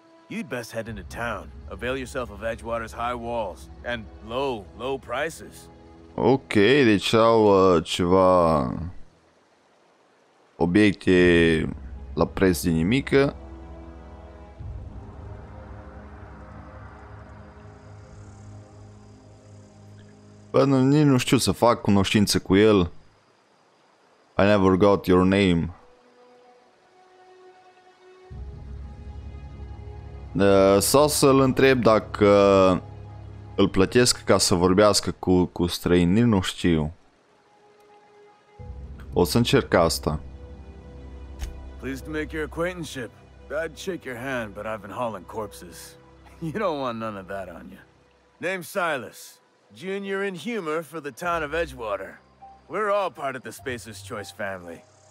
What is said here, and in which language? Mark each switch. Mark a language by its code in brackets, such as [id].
[en] You'd best head into town. Avail yourself of Edgewater's high walls and low, low prices. [ro] Ok, deci au ceva obiecte la preț de nimică. Bă, nici nu știu să fac cunoștință cu el. [en] I never got your name. [ro] Sau să-l întreb dacă îl plătesc ca să vorbească cu străini, nu știu. O să încerc asta. [en] Pleased to make your acquaintanceship. I'd shake your hand, but I've been hauling corpses. You don't want none of that on you. Name Silas. Junior in humor for the town of Edgewater. We're all part of the Spacer's Choice family.